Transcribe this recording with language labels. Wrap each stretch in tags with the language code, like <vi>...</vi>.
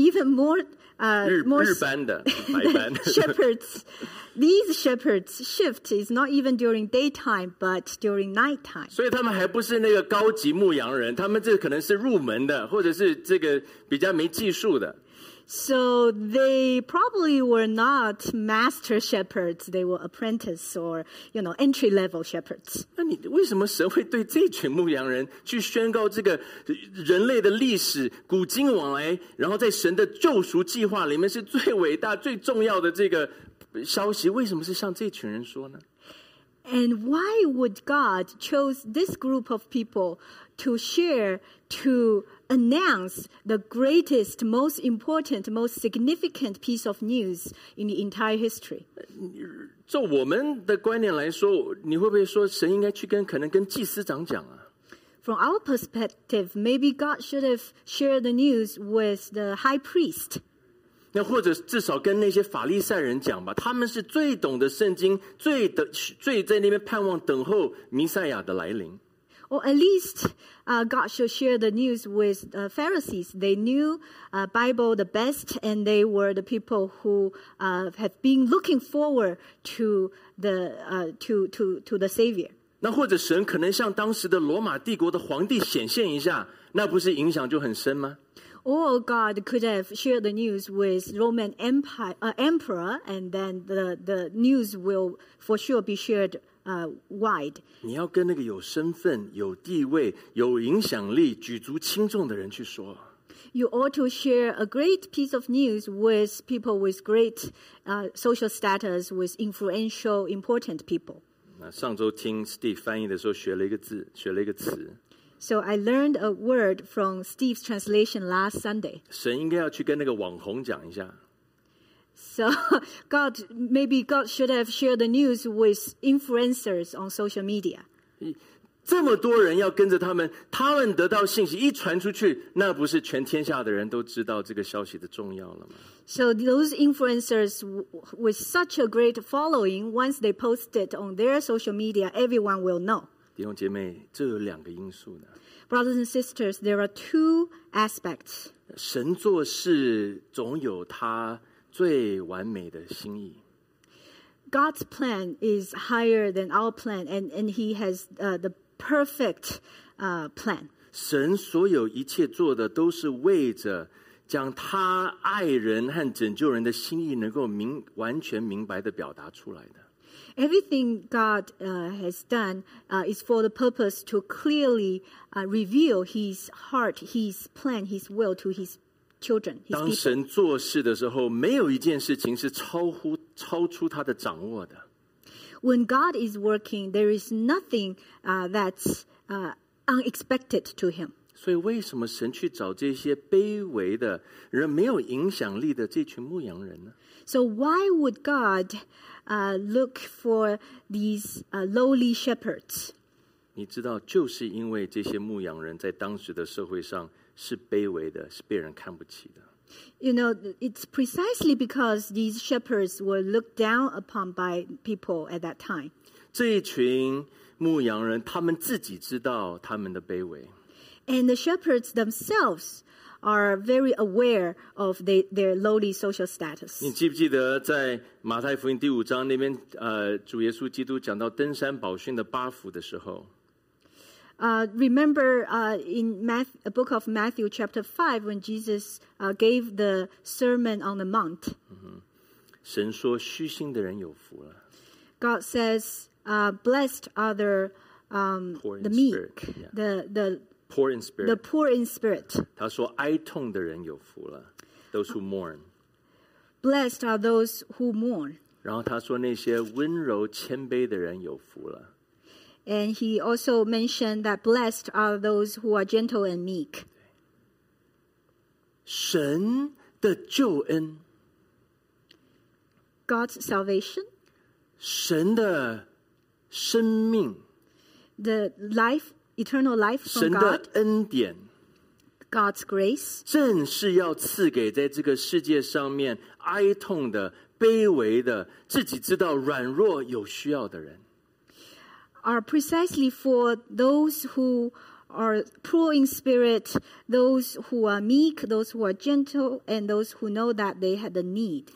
<en>And more, even more,</en> <zh>日班的白班。</zh> <en>Shepherds, these shepherds' shift is not even during daytime, but during nighttime.</en> <zh>所以他们还不是那个高级牧羊人，他们这可能是入门的，或者是这个比较没技术的。</zh> <en>So they probably were not master shepherds; they were apprentice or entry level shepherds.</en> <zh>那你为什么神会对这群牧羊人去宣告这个人类的历史古今往来，然后在神的救赎计划里面是最伟大、最重要的这个消息？为什么是向这群人说呢？</zh> <en>And why would God choose this group of people to share to? Announce the greatest, most important, most significant piece of news in the entire history.</en> <zh>就我们的观念来说，你会不会说神应该去跟可能跟祭司长讲啊？</zh> <en>From our perspective, maybe God should have shared the news with the high priest.</en> <zh>那或者至少跟那些法利赛人讲吧，他们是最懂得圣经，最在那边盼望等候弥赛亚的来临。</zh> <en>Or at least, God should share the news with the Pharisees. They knew the Bible the best, and they were the people who have been looking forward to the Savior.</en> <zh>那或者神可能向当时的罗马帝国的皇帝显现一下，那不是影响就很深吗？</zh> <en>Or God could have shared the news with Roman Emperor, and then the news will for sure be shared. Wide.</en> <zh>你要跟那个有身份、有地位、有影响力、举足轻重的人去说。</zh> <en>You ought to share a great piece of news with people with great social status, with influential, important people.</en> <zh>那上周听 Steve 翻译的时候，学了一个字，学了一个词。</zh> <en>So I learned a word from Steve's translation last Sunday.</en> <zh>神应该要去跟那个网红讲一下。</zh> <en>So, God should have shared the news with influencers on social media.</en> <zh>这么多人要跟着他们，他们得到信息一传出去，那不是全天下的人都知道这个消息的重要了吗？</zh> <en>So those influencers with such a great following, once they post it on their social media, everyone will know.</en> <zh>弟兄姐妹，这有两个因素呢。</zh> <en>Brothers and sisters, there are two aspects.</en> <zh>神做事总有他最完美的心意。</zh> <en>God's plan is higher than our plan, and He has the perfect plan.</en> <zh>神所有一切做的都是为着将他爱人和拯救人的心意能够明完全明白的表达出来的。</zh> <en>Everything God has done is for the purpose to clearly reveal His heart, His plan, His will to His children. His</en> <zh>当神做事的时候，没有一件事情是超出他的掌握的。</zh> <en>When God is working, there is nothing that's unexpected to Him.</en> <zh>所以，为什么神去找这些卑微的人、没有影响力的这群牧羊人呢</zh> <en>？So why would God look for these lowly shepherds?</en> <zh>你知道，就是因为这些牧羊人在当时的社会上是卑微的，是被人看不起的。</zh> <en>You know, it's precisely because these shepherds were looked down upon by people at that time.</en> <zh>这一群牧羊人，他们自己知道他们的卑微。</zh> <en>And the shepherds themselves are very aware of their lowly social status.</en> <zh>你记不记得在马太福音第五章那边，主耶稣基督讲到登山宝训的八福的时候？</zh> <en>Remember in the book of Matthew chapter 5 when Jesus gave the Sermon on the Mount.</en> <zh>神说虚心的人有福了。</zh> <en>God says, blessed are the meek, the poor in spirit. The poor in spirit.</en> <zh>他说哀痛的人有福了。</zh> <en>Those who mourn. Blessed are those who mourn.</en> <zh>然后他说那些温柔谦卑的人有福了。</zh> <en>And he also mentioned that blessed are those who are gentle and meek.</en> <zh>神的救恩。</zh> <en>God's salvation.</en> <zh>神的生命。</zh> <en>The life Eternal life from God.</en> <zh>神的恩典</zh> <en>God's grace.</en> <zh>正是要赐给在这个世界上面哀痛的、卑微的、自己知道软弱有需要的人</zh> <en>are precisely for those who are poor in spirit, those who are meek, those who are gentle, and those who know that they had the need.</en>